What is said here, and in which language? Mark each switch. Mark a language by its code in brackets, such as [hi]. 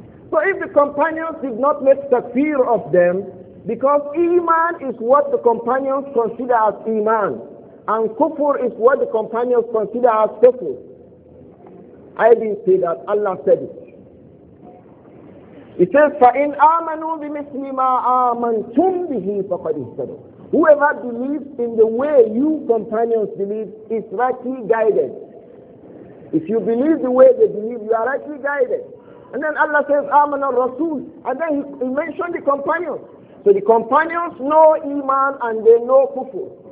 [en] So if the companions did not make takfir of them, because Iman is what the companions consider as Iman, and kufur is what the companions consider as kufur. I didn't say that, Allah said it. [ar] It says, فَإِنْ آمَنُوا بِمِثْلِ مَا آمَنْتُمْ بِهِ فَقَدْ اِهْتَدَوْا. [en] Whoever believes in the way you companions believe is rightly guided. If you believe the way they believe, you are rightly guided. And then Allah says, [ar] آمَنَ الرَّسُولِ. [en] And then he mentioned the companions. So the companions know Iman and they know kufur.